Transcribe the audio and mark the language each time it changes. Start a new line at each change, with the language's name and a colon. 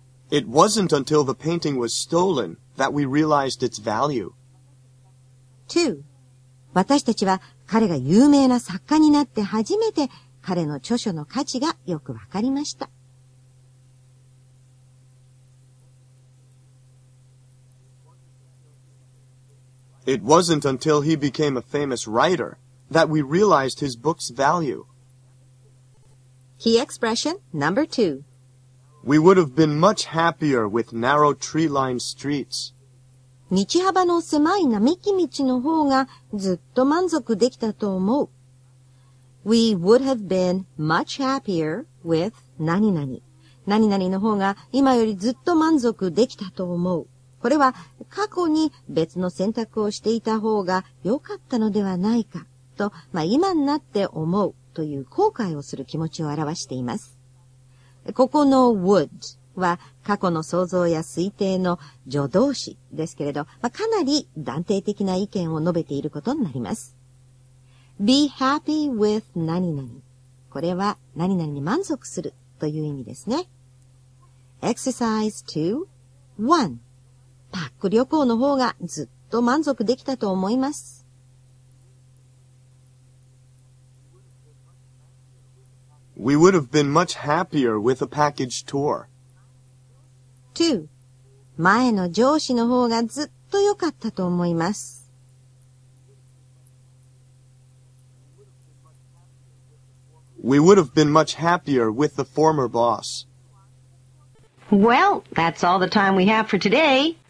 English: It wasn't until the painting was stolen that we realized its value. 2.
Japanese: 私たちは彼が有名な作家になって初めて彼の著書の価値がよくわかりました。
English: It wasn't until he became a famous writer that we realized his book's value. Key expression number 2. We would have been much happier with narrow tree-lined streets.
Japanese: 道幅の狭い並木道の方がずっと満足できたと思う。
English: We would have been much happier with 何々。
Japanese: 何々の方が今よりずっと満足できたと思う。これは過去に別の選択をしていた方が良かったのではないかと、まあ、今になって思うという後悔をする気持ちを表しています。ここの would は過去の想像や推定の助動詞ですけれど、まあ、かなり断定的な意見を述べていることになります。
English: be happy with 何々。
Japanese: これは何々に満足するという意味ですね。
English: exercise 2.1.
Japanese: パック旅行の方がずっと満足できたと思います。
English: We would have been much happier with a package tour. 2.
Japanese: 前の上司の方がずっと良かったと思います。
English: We would have been much happier with the former boss. Well, that's all the time we have for today.